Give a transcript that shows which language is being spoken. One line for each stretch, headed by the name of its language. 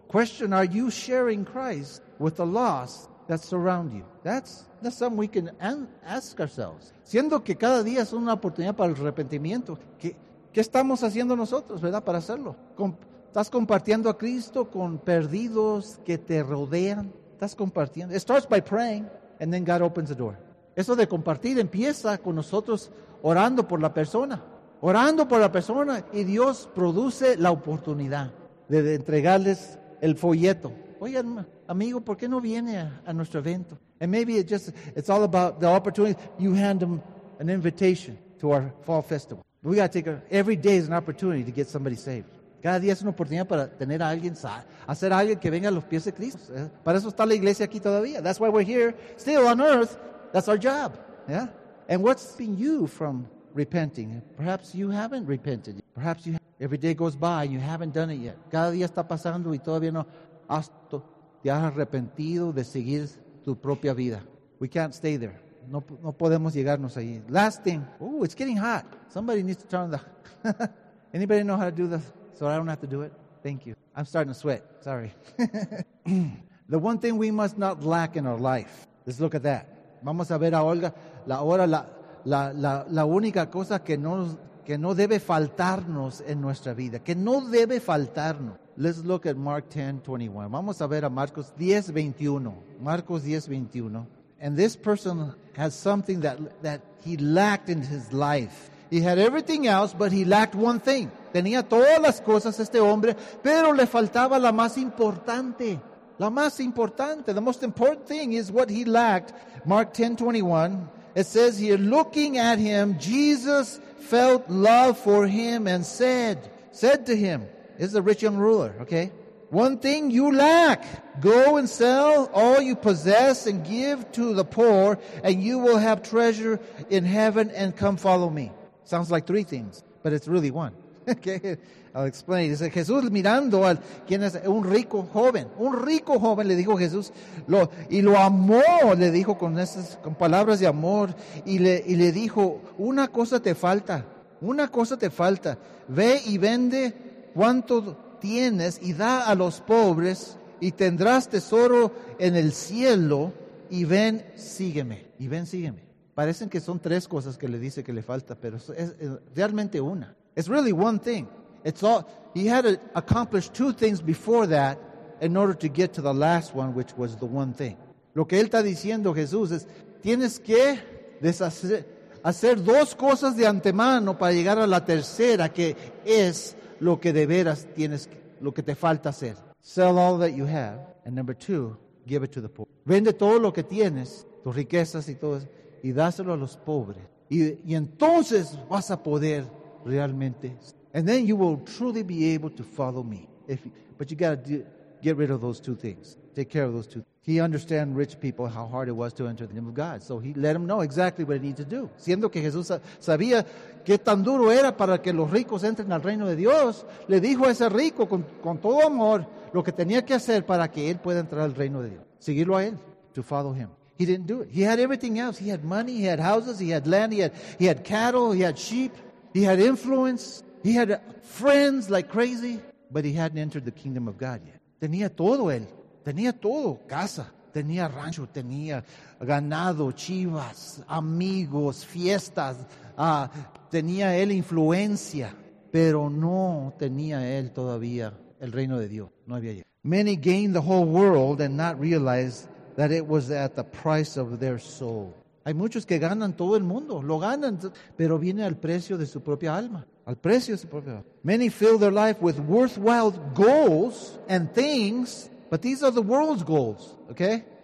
English: Question, are you sharing Christ with the lost that surround you? That's something we can ask ourselves.
Spanish: Siendo que cada día es una oportunidad para el arrepentimiento, ¿qué estamos haciendo nosotros, verdad, para hacerlo? ¿Estás compartiendo a Cristo con perdidos que te rodean? ¿Estás compartiendo?
English: It starts by praying, and then God opens the door.
Spanish: Eso de compartir empieza con nosotros orando por la persona. Orando por la persona, y Dios produce la oportunidad de entregarles el folleto. Oye, amigo, ¿por qué no viene a nuestro evento?
English: And maybe it's all about the opportunity. You hand them an invitation to our fall festival. We got to take every day is an opportunity to get somebody saved.
Spanish: Cada día es una oportunidad para tener a alguien, hacer a alguien que venga a los pies de Cristo. Para eso está la iglesia aquí todavía.
English: That's why we're here, still on earth. That's our job. Yeah? And what's keeping you from repenting? Perhaps you haven't repented. Perhaps you haven't. Every day goes by and you haven't done it yet.
Spanish: Cada día está pasando y todavía no te has arrepentido de seguir tu propia vida.
English: We can't stay there.
Spanish: No podemos llegarnos ahí.
English: Last thing. Oh, it's getting hot. Somebody needs to turn on the... Anybody know how to do this? So I don't have to do it? Thank you. I'm starting to sweat. Sorry. The one thing we must not lack in our life. Let's look at that.
Spanish: Vamos a ver a Olga. La única cosa que no debe faltarnos en nuestra vida. Que no debe faltarnos.
English: Let's look at Mark 10:21.
Spanish: Vamos a ver a Marcos 10:21. Marcos 10:21.
English: And this person has something that he lacked in his life. He had everything else, but he lacked one thing.
Spanish: Tenía todas las cosas este hombre, pero le faltaba la más importante. La más importante.
English: The most important thing is what he lacked. Mark 10:21. It says here, looking at him, Jesus felt love for him and said to him, this is the rich young ruler, okay? One thing you lack. Go and sell all you possess and give to the poor, and you will have treasure in heaven, and come follow me. Sounds like three things, but it's really one. Okay, I'll explain.
Spanish: Dice Jesús mirando al quien es un rico joven, le dijo Jesús, lo amó, le dijo con palabras de amor, y le dijo, una cosa te falta, ve y vende cuanto tienes y da a los pobres, y tendrás tesoro en el cielo, y ven, sígueme. Parecen que son tres cosas que le dice que le falta, pero es realmente una.
English: It's really one thing. It's all he had accomplished two things before that in order to get to the last one, which was the one thing.
Spanish: Lo que él está diciendo, Jesús, es tienes que hacer dos cosas de antemano para llegar a la tercera, que es lo que de veras tienes, lo que te falta hacer.
English: Sell all that you have. And number two, give it to the poor.
Spanish: Vende todo lo que tienes, tus riquezas y todo eso, y dáselo a los pobres. Y entonces vas a poder realmente.
English: And then you will truly be able to follow me. But you got to get rid of those two things. Take care of those two things. He understand rich people how hard it was to enter the kingdom of God. So he let them know exactly what he needed to do.
Spanish: Siendo que Jesús sabía qué tan duro era para que los ricos entren al reino de Dios, le dijo a ese rico con todo amor lo que tenía que hacer para que él pueda entrar al reino de Dios. Seguirlo a él.
English: To follow him. He didn't do it. He had everything else. He had money. He had houses. He had land. He had cattle. He had sheep. He had influence. He had friends like crazy. But he hadn't entered the kingdom of God yet.
Spanish: Tenía todo él. Tenía todo. Casa. Tenía rancho. Tenía ganado, chivas, amigos, fiestas. Tenía él influencia. Pero no tenía él todavía el reino de Dios. No había llegado.
English: Many gained the whole world and not realized that it was at the price of their soul.
Spanish: Hay muchos que ganan todo el mundo, lo ganan, pero viene al precio de su propia alma, al precio de su propia alma.
English: Many fill their life with worthwhile goals and things, but these are the world's goals, okay?